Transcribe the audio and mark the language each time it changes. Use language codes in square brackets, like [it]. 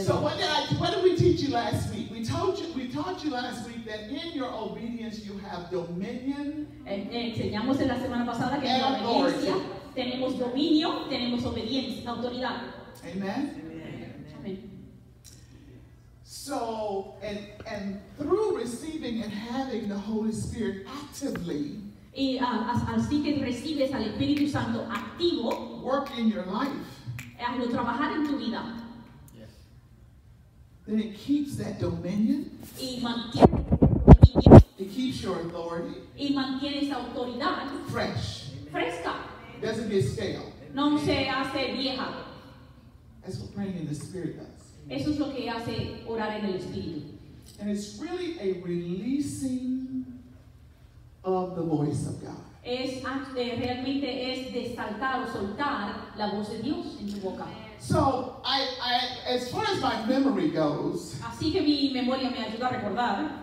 [en] So what did we teach you last week? We taught you last week that in your obedience you have dominion. [es] Enseñamos en la semana pasada que en la obediencia tenemos dominio, tenemos obediencia, autoridad. [en] Amen. [es] Amen. [en] So and through receiving and having the Holy Spirit actively. [es] Y así que recibes al Espíritu Santo activo. [en] Work in your life. [es] Hazlo trabajar en tu vida. [en] Then it keeps that dominion. [es] Y mantiene. [en] It keeps your authority. [es] Y mantiene esa autoridad. [en] Fresh. [es] Fresca. [en] Doesn't get stale. [es] No se hace vieja. [en] That's what praying in the Spirit does. [es] Eso es lo que hace orar en el Espíritu. [en] And it's really a releasing of the voice of God. [es] Es realmente es desaltar o soltar la voz de Dios en tu boca. [en] So I as far as my memory goes, [es] así que mi memoria me ayuda a recordar.